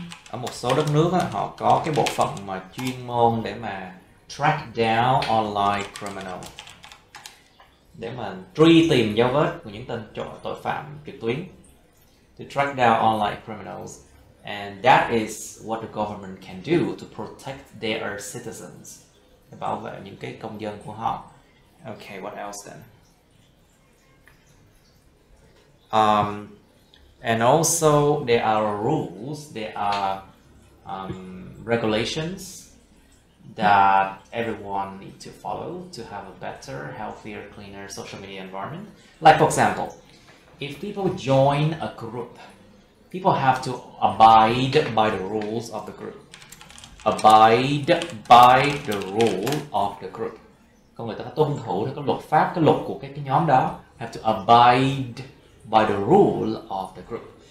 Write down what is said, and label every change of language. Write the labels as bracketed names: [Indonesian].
[Vietnamese] Ở một số đất nước, họ có cái bộ phận mà chuyên môn để mà [English] track down online criminals. [Vietnamese] Để mà truy tìm dấu vết của những tên trộm tội phạm trực tuyến. [English] To track down online criminals. And that is what the government can do to protect their citizens. [Vietnamese] Để bảo vệ những cái công dân của họ. [English] Okay, what else then? And also there are rules, there are regulations that everyone need to follow to have a better, healthier, cleaner social media environment. Like for example, if people join a group, people have to abide by the rules of the group. Abide by the rule of the group. [Vietnamese] Còn người ta phải tuân thủ theo cái luật pháp, cái luật của cái nhóm đó. [English] Have to abide by the rule of the group.